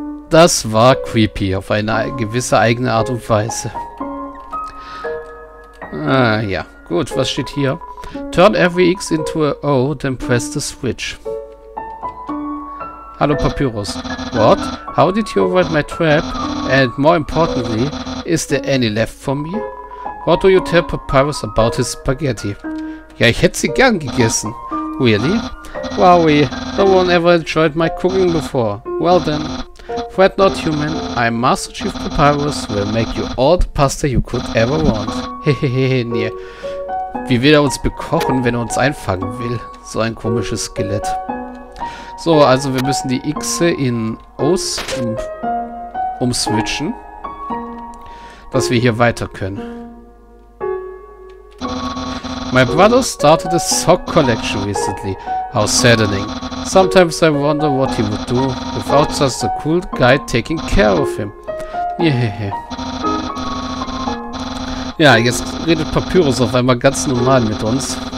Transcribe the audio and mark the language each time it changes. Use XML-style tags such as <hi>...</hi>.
<de>Das war creepy, auf eine gewisse eigene Art und Weise. Ja, gut, was steht hier?</de> <en>Turn every X into a O, then press the switch. Hallo Papyrus. What? How did you avoid my trap? And more importantly, is there any left for me? What do you tell Papyrus about his spaghetti?</en> <de>Ja, ich hätte sie gern gegessen.</de> <en>Really? Wowie, no one ever enjoyed my cooking before. Well then, fret not human, I'm Master Chief Papyrus will make you all the pasta you could ever want.</en> <de>Hehehe, nee. Wie will er uns bekochen, wenn er uns einfangen will? So ein komisches Skelett. So, also wir müssen die X'e in O's umswitchen, dass wir hier weiter können.</de> <en>My brother started a sock collection recently. How saddening. Sometimes I wonder what he would do without such a cool guy taking care of him. Yeah.</en> <de>Ja, jetzt redet Papyrus auf einmal ganz normal mit uns.</de>